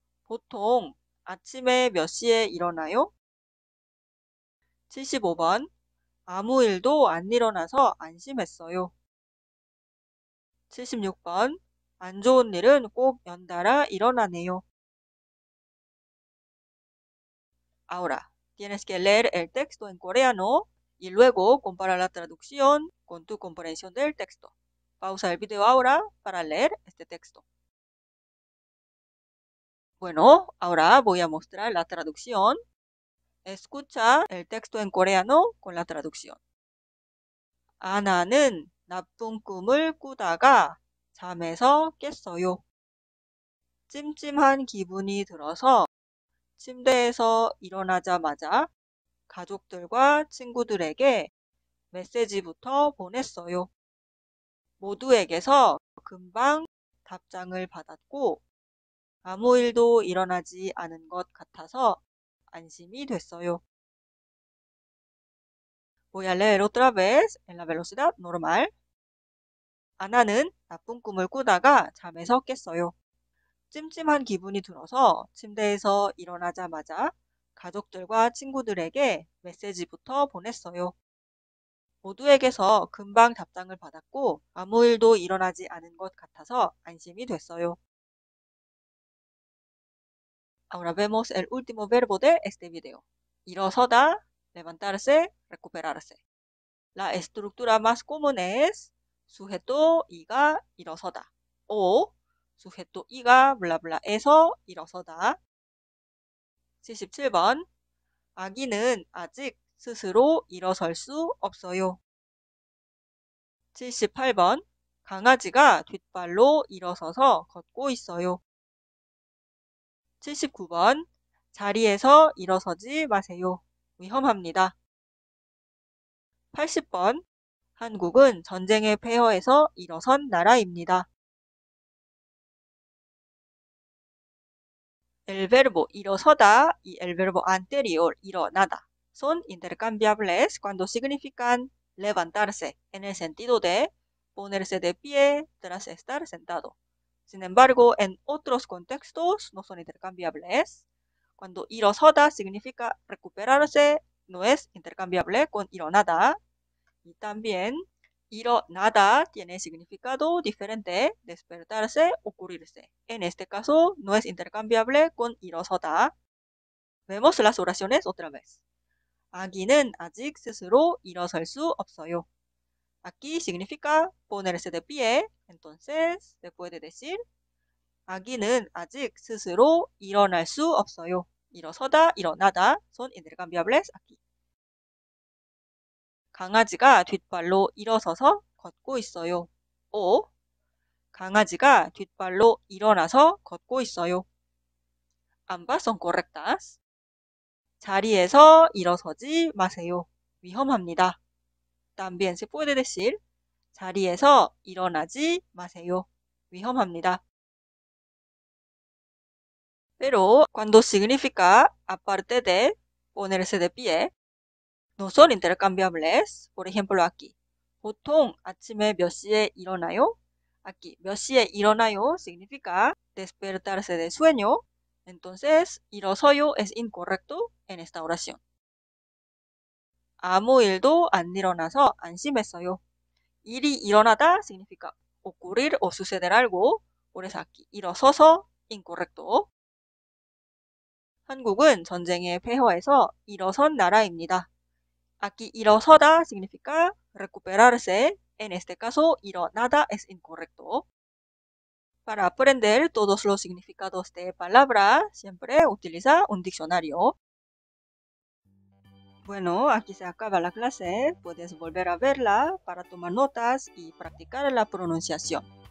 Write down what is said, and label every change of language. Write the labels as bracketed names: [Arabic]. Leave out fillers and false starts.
[Korean] 보통 아침에 몇 시에 일어나요? 75번. 아무 일도 안 일어나서 안심했어요. 76번. 안 좋은 일은 꼭 연달아 일어나네요. [Spanish] Ahora, tienes que leer el texto en coreano y luego comparar la traducción con tu comprensión del texto. Pausa el video ahora para leer este texto. Bueno, ahora voy a mostrar la traducción. Escucha el texto en coreano con la traducción. [Korean] 아나는 나쁜 꿈을 꾸다가 잠에서 깼어요. 찜찜한 기분이 들어서 침대에서 일어나자마자 가족들과 친구들에게 메시지부터 보냈어요. 모두에게서 금방 답장을 받았고, 아무 일도 일어나지 않은 것 같아서 안심이 됐어요. [Spanish] Voy a leer otra vez en la velocidad normal. [Korean] 아나는 나쁜 꿈을 꾸다가 잠에서 깼어요. 찜찜한 기분이 들어서 침대에서 일어나자마자 가족들과 친구들에게 메시지부터 보냈어요. 모두에게서 금방 답장을 받았고 아무 일도 일어나지 않은 것 같아서 안심이 됐어요. [Spanish] Ahora vemos el último verbo de este video. 일어서다, levantarse, recuperarse. La estructura más común es sujeto, iga, 일어서다. O Sujeto iga, bla bla, 에서 일어서다. [Korean] 77번. 아기는 아직 스스로 일어설 수 없어요. 78번. 강아지가 뒷발로 일어서서 걷고 있어요. 79번. 자리에서 일어서지 마세요. 위험합니다. 80번. 한국은 전쟁의 폐허에서 일어선 나라입니다. [Spanish] El verbo 일어서다 y el verbo anterior 일어나다 son intercambiables cuando significan levantarse en el sentido de ponerse de pie tras estar sentado. Sin embargo, en otros contextos no son intercambiables. Cuando 일어서다 significa recuperarse, no es intercambiable con 일어나다. Y también 일어나다 tiene significado diferente, despertarse, ocurrirse. En este caso, no es intercambiable con 일어서다. Vemos las oraciones otra vez. [Korean] 아기는 아직 스스로 일어설 수 없어요. [Spanish] Aquí significa ponerse de pie. Entonces, se puede decir, [Korean] 아기는 아직 스스로 일어날 수 없어요. [Spanish] 일어서다, 일어나다 son intercambiables aquí. [Korean] 강아지가 뒷발로 일어서서 걷고 있어요. O 강아지가 뒷발로 일어나서 걷고 있어요. [Spanish] Ambas son correctas. [Korean] 자리에서 일어서지 마세요. 위험합니다. [Spanish] También se puede decir [Korean] 자리에서 일어나지 마세요. 위험합니다. [Spanish] Pero cuando significa aparte de ponerse de pie, no son intercambiables. Por ejemplo, aquí. [Korean] 보통 아침에 몇 시에 일어나요? Aquí, 몇 시에 일어나요? [Spanish] Significa despertarse de sueño. Entonces, 일어서요 es incorrecto en esta oración. [Korean] 아무 일도 안 일어나서 안심했어요. [Spanish] 일이 일어나다 significa ocurrir o suceder algo. Por eso aquí, 일어서서 incorrecto. [Korean] 한국은 전쟁의 폐허에서 일어선 나라입니다. [Spanish] Aquí, 일어서다 significa recuperarse. En este caso, 일어나다 es incorrecto. Para aprender todos los significados de palabra, siempre utiliza un diccionario. Bueno, aquí se acaba la clase. Puedes volver a verla para tomar notas y practicar la pronunciación.